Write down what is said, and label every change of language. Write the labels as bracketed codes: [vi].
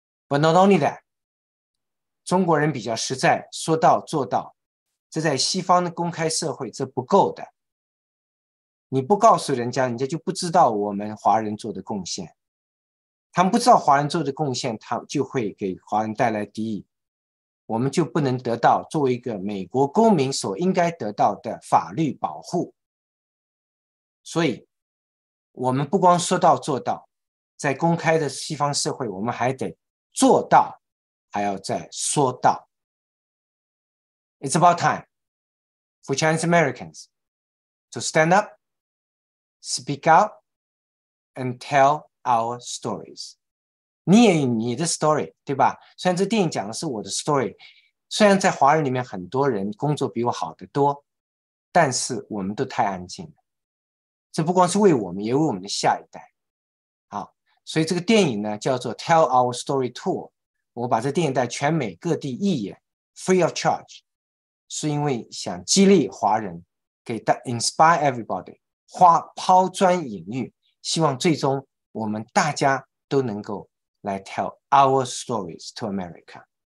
[en] But not only that, [zh] 中国人比较实在, 说到做到, 这在西方的公开社会, 这不够的, 你不告诉人家, 人家就不知道我们华人做的贡献, 他们不知道华人做的贡献, 他就会给华人带来敌意, 我们就不能得到作为一个美国公民所应该得到的法律保护。所以, 我们不光说到做到, 在公开的西方社会, 我们还得做到, 还要再说到。 [en] It's about time for Chinese Americans to stand up, speak out, and tell our stories. [zh] 你也有你的 story, 对吧? 虽然这电影讲的是我的 story, 虽然在华人里面很多人工作比我好得多, 但是我们都太安静了。这不光是为我们, 也为我们的下一代。好, 所以这个电影呢, 叫做 Tell Our Story Tour, 我把这电影带全美各地一眼, [en] free of charge, [zh] 是因为想激励华人, 给大, [en] inspire everybody, [zh] 抛砖引玉, 希望最终我们大家都能够来 [en] tell our stories to America.